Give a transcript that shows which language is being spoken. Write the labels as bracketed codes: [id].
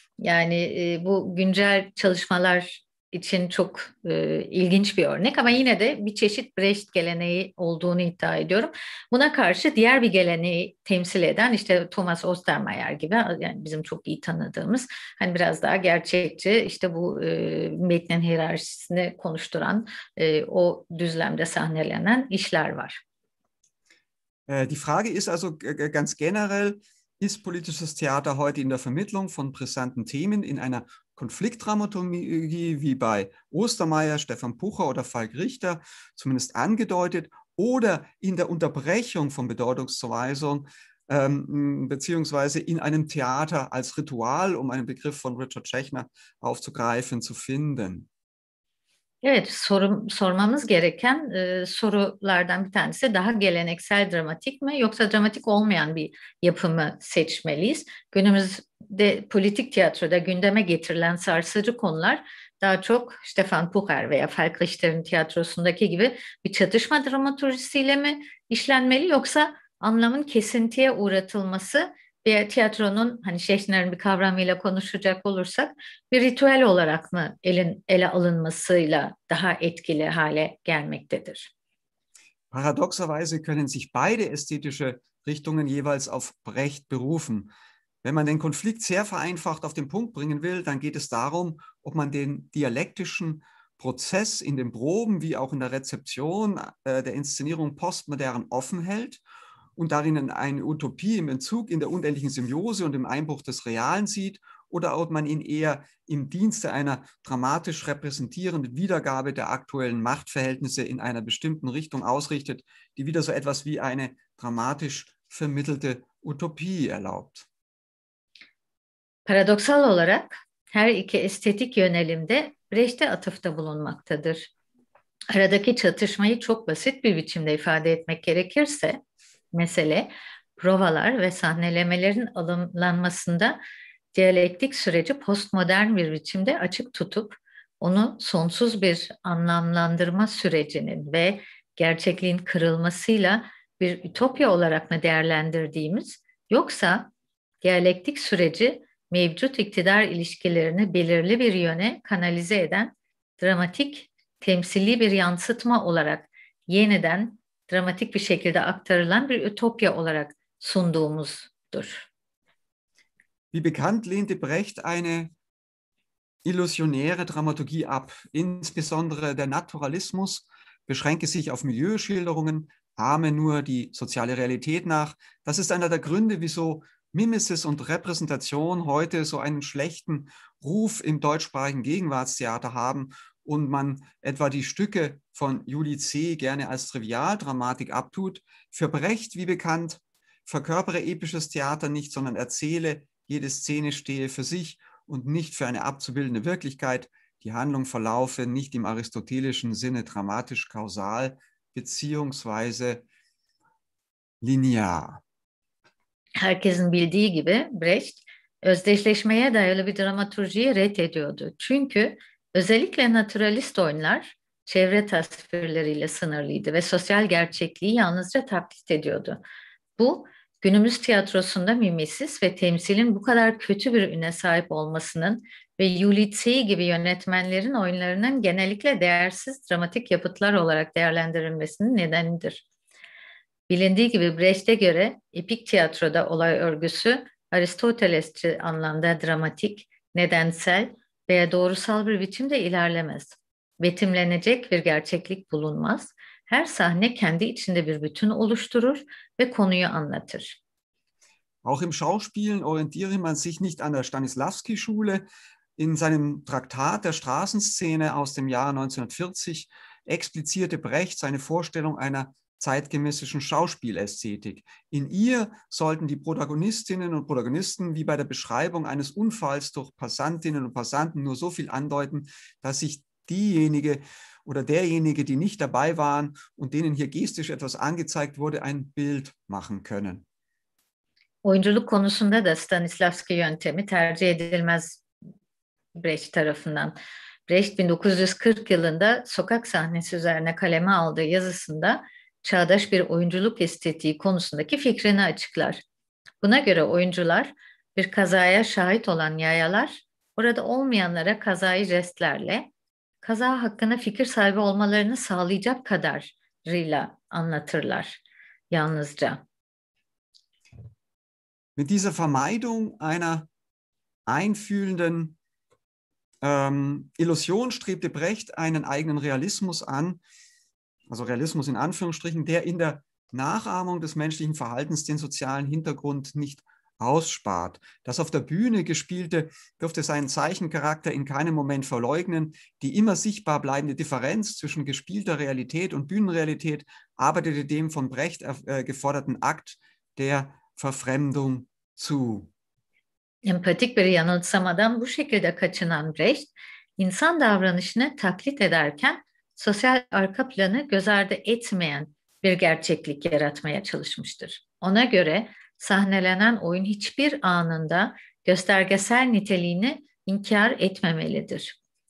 [tr] Yani bu güncel çalışmalar için çok ilginç bir örnek ama yine de bir çeşit Brecht geleneği olduğunu iddia ediyorum. Buna karşı diğer bir geleneği temsil eden işte Thomas Ostermeier gibi, yani bizim çok iyi tanıdığımız, hani biraz daha gerçekçi, işte bu metnin hiyerarşisini konuşturan, o düzlemde sahnelenen işler var. [de] Die Frage ist also ganz generell, ist politisches Theater heute in der Vermittlung von brisanten Themen in einer Konfliktdramaturgie wie bei Ostermeier, Stefan Pucher oder Falk Richter zumindest angedeutet oder in der Unterbrechung von Bedeutungszuweisung beziehungsweise in einem Theater als Ritual, um einen Begriff von Richard Schechner aufzugreifen, zu finden? [tr] Evet, sormamız gereken sorulardan bir tanesi daha geleneksel dramatik mi yoksa dramatik olmayan bir yapımı seçmeliyiz. Günümüzde politik tiyatroda gündeme getirilen sarsıcı konular daha çok Stefan Pucher veya Falk Richter'in tiyatrosundaki gibi bir çatışma dramaturjisiyle mi işlenmeli yoksa anlamın kesintiye uğratılması bir tiyatronun, hani Schechner'in bir kavramıyla konuşacak olursak, bir ritüel olarak mı ele alınmasıyla daha etkili hale gelmektedir? [de] Paradoxerweise können sich beide ästhetische Richtungen jeweils auf Brecht berufen. Wenn man den Konflikt sehr vereinfacht auf den Punkt bringen will, dann geht es darum, ob man den dialektischen Prozess in den Proben wie auch in der Rezeption der Inszenierung postmodern offen hält und darin eine Utopie im Entzug, in der unendlichen Symbiose und im Einbruch des Realen sieht, oder ob man ihn eher im Dienste einer dramatisch repräsentierenden Wiedergabe der aktuellen Machtverhältnisse in einer bestimmten Richtung ausrichtet, die wieder so etwas wie eine dramatisch vermittelte Utopie erlaubt. [tr] Paradoxal olarak her iki estetik yönelimde Brecht'e atıfta bulunmaktadır. Aradaki çatışmayı çok basit bir biçimde ifade etmek gerekirse, mesele provalar ve sahnelemelerin alımlanmasında diyalektik süreci postmodern bir biçimde açık tutup onu sonsuz bir anlamlandırma sürecinin ve gerçekliğin kırılmasıyla bir ütopya olarak mı değerlendirdiğimiz yoksa diyalektik süreci mevcut iktidar ilişkilerini belirli bir yöne kanalize eden dramatik temsili bir yansıtma olarak yeniden dramatik bir şekilde aktarılan bir ütopya olarak sunduğumuzdur. [de] Wie bekannt lehnte Brecht eine illusionäre Dramaturgie ab. Insbesondere der Naturalismus beschränke sich auf Milieuschilderungen, ahme nur die soziale Realität nach. Das ist einer der Gründe, wieso Mimesis und Repräsentation heute so einen schlechten Ruf im deutschsprachigen Gegenwartstheater haben und man etwa die Stücke von Juli C. gerne als Trivialdramatik abtut. Für Brecht, wie bekannt, verkörpere episches Theater nicht, sondern erzähle, jede Szene stehe für sich und nicht für eine abzubildende Wirklichkeit, die Handlung verlaufe nicht im aristotelischen Sinne dramatisch-kausal beziehungsweise linear. [tr] Herkesin bildiği gibi Brecht özdeşleşmeye dair bir dramaturjiyi reddediyordu. Çünkü özellikle naturalist oyunlar çevre tasvirleriyle sınırlıydı ve sosyal gerçekliği yalnızca taklit ediyordu. Bu, günümüz tiyatrosunda mimesis ve temsilin bu kadar kötü bir üne sahip olmasının ve Yuli Tse gibi yönetmenlerin oyunlarının genellikle değersiz dramatik yapıtlar olarak değerlendirilmesinin nedenidir. Bilindiği gibi Brecht'e göre epik tiyatroda olay örgüsü Aristotelesçi anlamda dramatik, nedensel veya doğrusal bir biçimde ilerlemez. Betimlenecek bir gerçeklik bulunmaz. Her sahne kendi içinde bir bütün oluşturur ve konuyu anlatır. [de] Auch im Schauspielen orientiere man sich nicht an der Stanislavski-Schule. In seinem Traktat der Straßenszene aus dem Jahr 1940 explizierte Brecht seine Vorstellung einer zeitgemäßischen Schauspielästhetik. In ihr sollten die Protagonistinnen und Protagonisten wie bei der Beschreibung eines Unfalls durch Passantinnen und Passanten nur so viel andeuten, dass sich diejenige oder derjenige, die nicht dabei waren und denen hier gestisch etwas angezeigt wurde, ein Bild machen können. [tr] Oyunculuk konusunda da Stanislavski yöntemi tercih edilmez Brecht tarafından. Brecht 1940 yılında sokak sahnesi üzerine kaleme aldığı yazısında çağdaş bir oyunculuk estetiği konusundaki fikrini açıklar. Buna göre oyuncular bir kazaya şahit olan yayalar, orada olmayanlara kazayı jestlerle, kaza hakkında fikir sahibi olmalarını sağlayacak kadarıyla anlatırlar yalnızca. [de] Mit dieser Vermeidung einer einfühlenden Illusion strebte Brecht einen eigenen Realismus an, also Realismus in Anführungsstrichen, der in der Nachahmung des menschlichen Verhaltens den sozialen Hintergrund nicht ausspart. Das auf der Bühne Gespielte dürfte seinen Zeichencharakter in keinem Moment verleugnen. Die immer sichtbar bleibende Differenz zwischen gespielter Realität und Bühnenrealität arbeitete dem von Brecht geforderten Akt der Verfremdung zu. [tr] Empathik bir yanılsamadan bu şekilde kaçınan Brecht, insan davranışını taklit ederken sosyal arka planı göz ardı etmeyen bir gerçeklik yaratmaya çalışmıştır. Ona göre sahnelenen oyun hiçbir anında göstergesel niteliğini inkar etmemelidir.